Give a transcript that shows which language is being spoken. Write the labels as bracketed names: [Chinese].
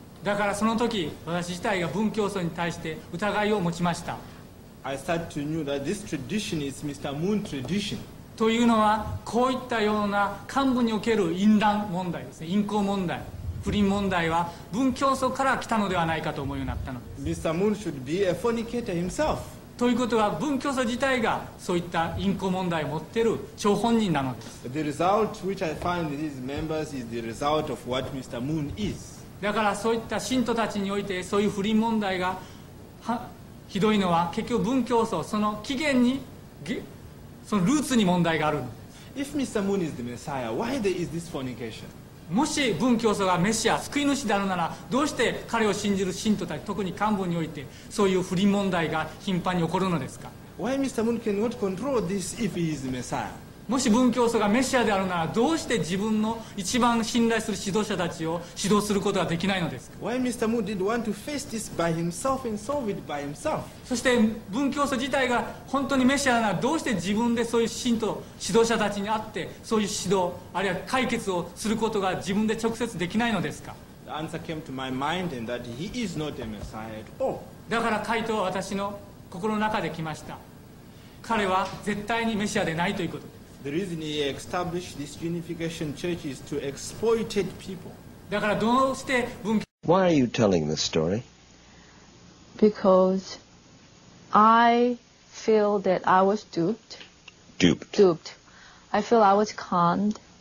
[Japanese] だからその時、私自体が文教祖に対して疑いを持ちました。 [English] I started to know that this tradition is Mr. Moon tradition. [Japanese] というのは、こういったような幹部における淫乱問題ですね、淫行問題。不倫問題は文教祖から来たのではないかと思うようになったのです。 [English] Mr. Moon should be a fornicator himself. [Japanese] ということは文教祖自体がそういった淫行問題を持っている張本人なのです。 [English] The result which I find in these members is the result of what Mr. Moon is. [Japanese] だからそういった信徒たちにおいてそういう不倫問題がひどいのは結局文教祖その起源にそのルーツに問題がある。 [English] If Mr. Moon is the Messiah, why there is this fornication? [Japanese] もし文教祖がメシア、救い主であるならどうして彼を信じる信徒たち、特に幹部においてそういう不倫問題が頻繁に起こるのですか。 [English] Why Mr. Moon cannot control this if he is the Messiah? [Japanese] もし文教祖がメシアであるならどうして自分の一番信頼する指導者たちを指導することができないのですか [English] Why Mr. Moon didn't want to face this by himself and solve it by himself? [Japanese] そして文教祖自体が本当にメシアならどうして自分でそういう信徒指導者たちに会ってそういう指導あるいは解決をすることが自分で直接できないのですか [English] The answer came to my mind and that he is not a messiah at all. [Japanese] だから回答は私の心の中で来ました彼は絶対にメシアでないということです [English] The reason he established this unification church is to exploit people. [Japanese] だからどうして文教 [English] Why are you telling this story? Because I feel that I was duped. Duped. Duped. I feel I was conned.